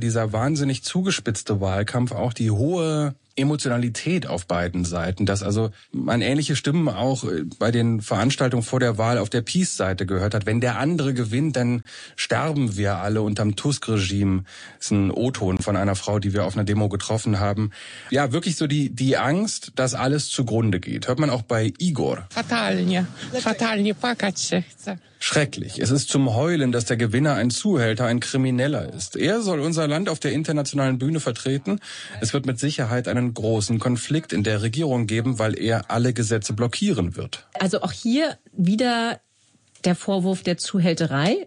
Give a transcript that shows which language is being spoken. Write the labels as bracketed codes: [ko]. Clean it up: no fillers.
[de] Dieser wahnsinnig zugespitzte Wahlkampf, auch die hohe Emotionalität auf beiden Seiten, dass also man ähnliche Stimmen auch bei den Veranstaltungen vor der Wahl auf der Peace-Seite gehört hat. Wenn der andere gewinnt, dann sterben wir alle unterm Tusk-Regime. Das ist ein O-Ton von einer Frau, die wir auf einer Demo getroffen haben. Ja, wirklich so die Angst, dass alles zugrunde geht. Hört man auch bei Igor. [pl] Fatalnie, płakać się chce. [de] Schrecklich. Es ist zum Heulen, dass der Gewinner ein Zuhälter, ein Krimineller ist. Er soll unser Land auf der internationalen Bühne vertreten. Es wird mit Sicherheit einen großen Konflikt in der Regierung geben, weil er alle Gesetze blockieren wird. Also auch hier wieder der Vorwurf der Zuhälterei.